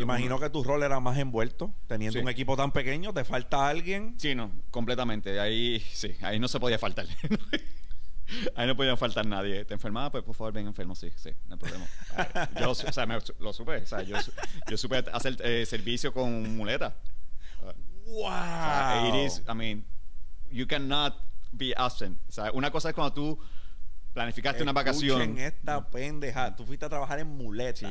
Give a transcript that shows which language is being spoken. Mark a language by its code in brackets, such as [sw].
[es] Imagino que tu rol era más envuelto, teniendo sí. Un equipo tan pequeño, ¿te falta alguien? Sí, no, completamente. Ahí sí, ahí no se podía faltar. Ahí no podía faltar nadie. ¿Te enfermabas? Pues por favor, ven enfermo, sí, sí, no hay problema. Yo, o sea, lo supe. O sea, yo supe hacer servicio con muleta. ¡Wow! O sea, [en] it is, I mean, you cannot be absent. [es] O sea, una cosa es cuando tú... planificaste escuchen una vacación. Escuchen esta pendeja. Tú fuiste a trabajar en muletas.